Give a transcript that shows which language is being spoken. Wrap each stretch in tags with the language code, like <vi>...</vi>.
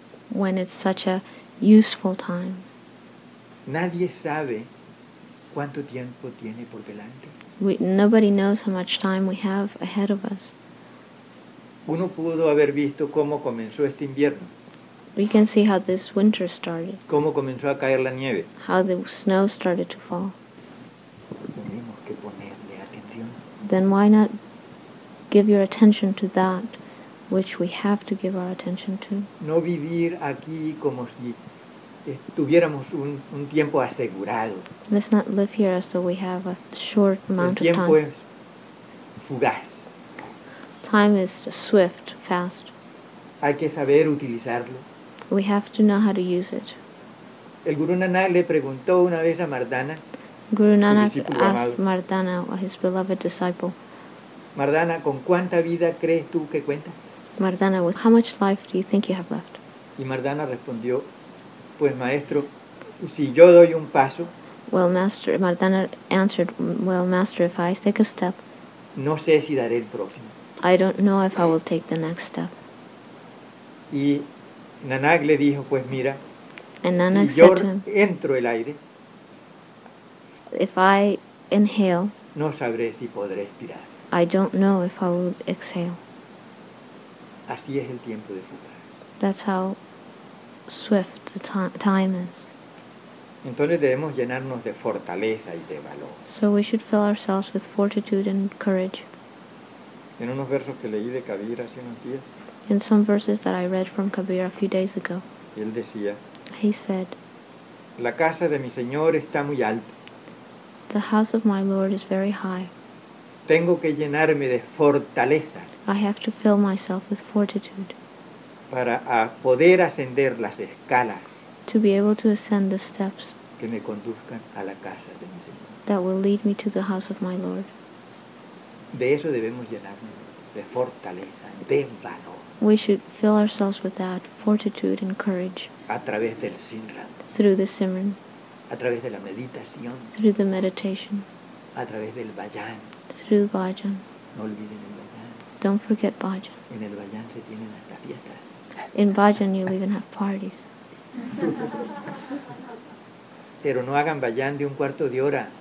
<en>When it's such a useful time.</en> <es>Nadie sabe cuánto tiempo tiene por delante.</es> <en>Nobody knows how much time we have ahead of us.</en> <es>Uno pudo haber visto cómo comenzó este invierno.</es> <en>We can see how this winter started.</en> <es>Cómo comenzó a caer la nieve.</es> <en>How the snow started to fall.</en> <es>Tenemos que ponerle atención.</es> <en>Then why not give your attention to that which we have to give our attention to?</en> <es>No vivir aquí como si tuviéramos un tiempo asegurado.</es> <en>Let's not live here as though we have a short amount of time.</en> <es>El tiempo es fugaz.</es> <en>Time is swift, fast.</en> <es>Hay que saber utilizarlo.</es> <en>We have to know how to use it.</en> <es>El Guru Nanak le preguntó una vez a Mardana.</es> <en>Guru Nanak asked Mardana, his beloved disciple.</en> <es>Mardana, ¿con cuánta vida crees tú que cuentas?</es> <en>Mardana, with how much life do you think you have left?</en> <es>Y Mardana respondió, pues maestro, si yo doy un paso.</es> <en>Well, master, Mardana answered, well, master, if I take a step.</en> <es>No sé si daré el próximo.</es> <en>I don't know if I will take the next step.</en> <es>Y Nanak le dijo, pues mira,</es> <en>and Nanak</en> <es>si yo</es> <en>said to him,</en> <es>entro el aire,</es> <en>if I inhale,</en> <es>no sabré si podré expirar.</es> <en>I don't know if I will exhale.</en> <es>Así es el tiempo de fugaz.</es> <en>That's how swift the time is.</en> <es>Entonces debemos llenarnos de fortaleza y de valor.</es> <en>So we should fill ourselves with fortitude and courage.</en> <es>En unos versos que leí de Kabir hace unos días.</es> <en>In some verses that I read from Kabir a few days ago.</en> <es>Él decía.</es> <en>He said.</en> <es>La casa de mi señor está muy alta.</es> <en>The house of my lord is very high.</en> <es>Tengo que llenarme de fortaleza.</es> <en>I have to fill myself with fortitude.</en> <es>Para poder ascender las escalas.</es> <en>To be able to ascend the steps.</en> <es>Que me conduzcan a la casa de mi señor.</es> <en>That will lead me to the house of my lord.</en> <es>De eso debemos llenarnos, de fortaleza, de valor.</es> <en>We should fill ourselves with that fortitude and courage.</en> <es>A través del Simran.</es> <en>Through the Simran.</en> <es>A través de la meditación.</es> <en>Through the meditation.</en> <es>A través del Bhajan.</es> <en>Through Bhajan.</en> <es>No olviden el Bhajan.</es> <en>Don't forget Bhajan.</en> <es>En el Bhajan se tienen hasta fiestas.</es> <en>In Bhajan you'll even have parties.</en> <es>Pero no hagan Bhajan de un cuarto de hora.</es>